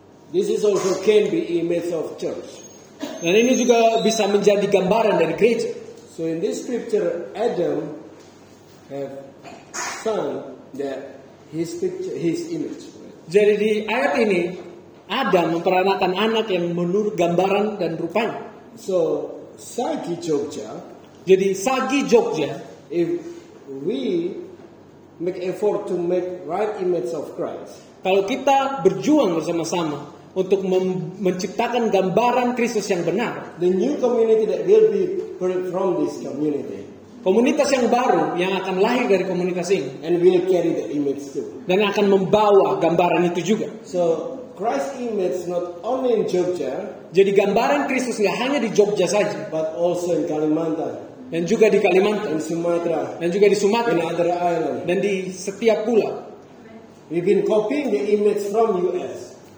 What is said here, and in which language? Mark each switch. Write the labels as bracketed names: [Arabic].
[English] This is also can be image of church. [Indonesian] Dan ini juga bisa menjadi gambaran dari gereja. [English] So in this scripture, Adam have son that his picture, his image. [Indonesian] Jadi di ayat ini Adam memperanakan anak yang menurut gambaran dan rupanya. [English] So Sagi Jogja. [Indonesian] Jadi Sagi Jogja. [English] If we make effort to make right image of Christ. [Indonesian] Kalau kita berjuang bersama-sama untuk menciptakan gambaran Kristus yang benar, [English] the new community that will be birthed from this community, [Indonesian] komunitas yang baru yang akan lahir dari komunitas ini, [English] and will carry the image too, [Indonesian] dan akan membawa gambaran itu juga. [English] So Christ's image not only in Jogja, [Indonesian] jadi gambaran Kristus nggak hanya di Jogja saja, [English] but also in Kalimantan, [Indonesian] dan juga di Kalimantan, [English] and Sumatera, [Indonesian] dan juga di Sumatera, [English] and other island, [Indonesian] dan di setiap pulau. [English] We've been copying the image from US.